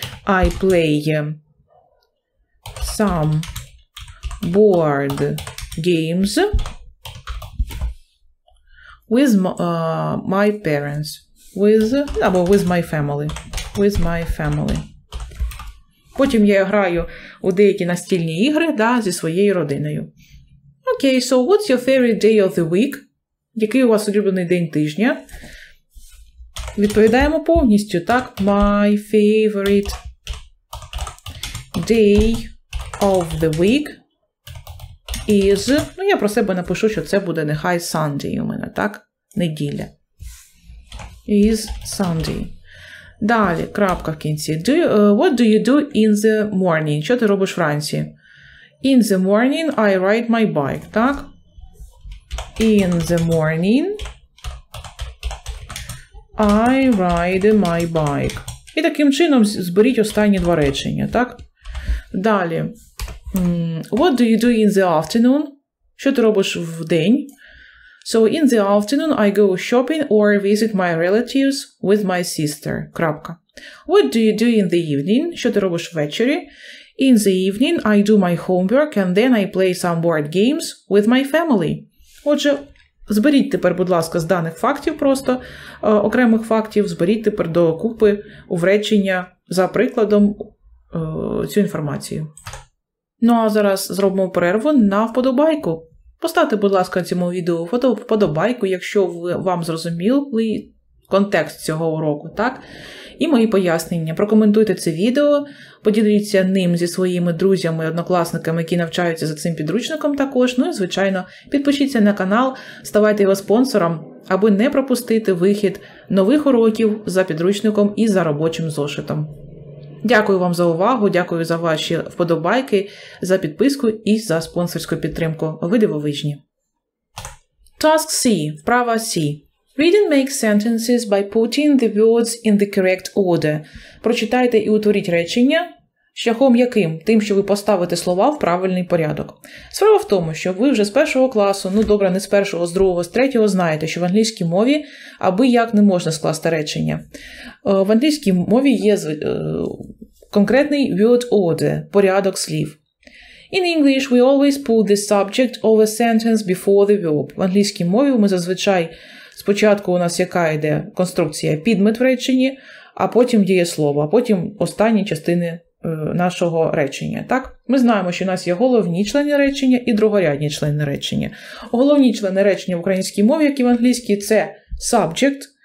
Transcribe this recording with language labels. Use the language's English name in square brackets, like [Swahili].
[English] I play some board games with my parents. With my family. With my family. [Ukrainian] Потім я граю у деякі настільні ігри, да, зі своєю родиною. [English] Okay, so what's your favorite day of the week? [Ukrainian] Який у вас улюблений день тижня? Відповідаємо повністю, так? [English] My favorite day of the week is... [Ukrainian] Ну, я про себе напишу, що це буде нехай Sunday у мене, так? [English] Неділя. Is Sunday. [Ukrainian] Далі, крапка в кінці. [English] What do you do in the morning? [Ukrainian] Що ти робиш вранці? [English] In the morning I ride my bike, [Ukrainian] так? [English] In the morning I ride my bike. [Ukrainian] І таким чином зберіть останні два речення, так? Далі. What do you do in the afternoon? Що ти робиш в день? [English] So, in the afternoon I go shopping or visit my relatives with my sister. [Ukrainian] Крапка. [English] What do you do in the evening? [Ukrainian] Що ти робиш ввечері? [English] In the evening I do my homework and then I play some board games with my family. [Ukrainian] Отже, зберіть тепер, будь ласка, з даних фактів просто, окремих фактів, зберіть тепер докупи у речення за прикладом цю інформацію. Ну, а зараз зробимо перерву на вподобайку. Поставте, будь ласка, цьому відео вподобайку, якщо вам зрозумілий контекст цього уроку, так? І мої пояснення. Прокоментуйте це відео, поділіться ним зі своїми друзями, однокласниками, які навчаються за цим підручником також. Ну і, звичайно, підпишіться на канал, ставайте його спонсором, аби не пропустити вихід нових уроків за підручником і за робочим зошитом. Дякую вам за увагу, дякую за ваші вподобайки, за підписку і за спонсорську підтримку. Ви дивовижні. Task C. Вправа C. [English] Read and make sentences by putting the words in the correct order. [Ukrainian] Прочитайте і утворіть речення. Шляхом яким? Тим, що ви поставите слова в правильний порядок. Справа в тому, що ви вже з першого класу, ну добре, не з першого, з другого, з третього, знаєте, що в англійській мові аби як не можна скласти речення. В англійській мові є конкретний word order, порядок слів. [English] In English we always put the subject of a sentence before the verb. [Ukrainian] В англійській мові ми зазвичай спочатку у нас яка йде конструкція, підмет в реченні, а потім дієслово, а потім останні частини нашого речення. Так? Ми знаємо, що у нас є головні члени речення і другорядні члени речення. Головні члени речення в українській мові, як і в англійській, це subject.